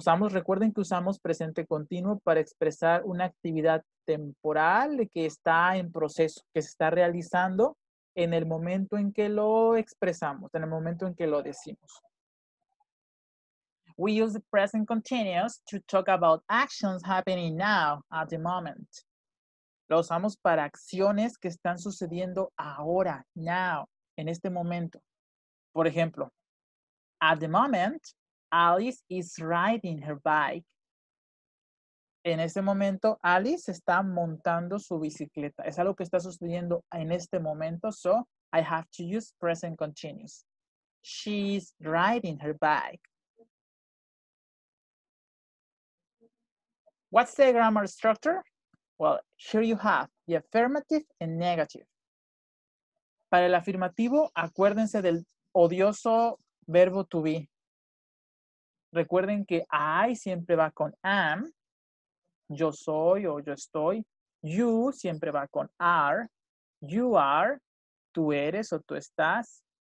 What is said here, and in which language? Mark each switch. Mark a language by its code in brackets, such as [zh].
[es] Recuerden que usamos presente continuo para expresar una actividad temporal que está en proceso, que se está realizando en el momento en que lo expresamos, en el momento en que lo decimos. [en] We use the present continuous to talk about actions happening now, at the moment. [es] Lo usamos para acciones que están sucediendo ahora, now, en este momento. Por ejemplo, [en] at the moment, Alice is riding her bike. [es] En este momento, Alice está montando su bicicleta. Es algo que está sucediendo en este momento, [en] so I have to use present continuous. She's riding her bike. What's the grammar structure? Well, here you have the affirmative and negative. [es] Para el afirmativo, acuérdense del odioso verbo to be. Recuerden que I siempre va con am, yo soy o yo estoy. You siempre va con are, you are, tú eres o tú estás.